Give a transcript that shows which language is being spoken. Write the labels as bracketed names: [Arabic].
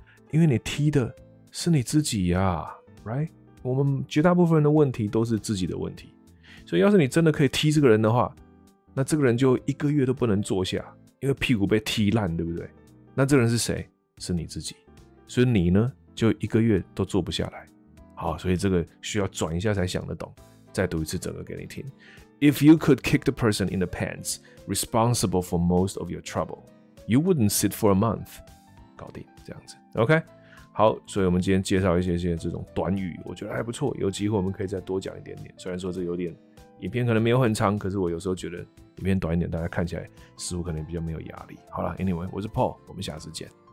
[Chinese] 因为你踢的是你自己啊 ，right？ 我们绝大部分人的问题都是自己的问题，所以要是你真的可以踢这个人的话，那这个人就一个月都不能坐下，因为屁股被踢烂，对不对？那这个人是谁？是你自己。所以你呢，就一个月都坐不下来。好，所以这个需要转一下才想得懂。再读一次整个给你听。 [English] If you could kick the person in the pants responsible for most of your trouble, you wouldn't sit for a month. [Chinese] 搞定，这样子。OK? 好，所以我们今天介绍一些这种短语，我觉得还不错，有机会我们可以再多讲一点点。虽然说这有点，影片可能没有很长，可是我有时候觉得影片短一点，大家看起来似乎可能比较没有压力。好啦 anyway, 我是 Paul, 我们下次见。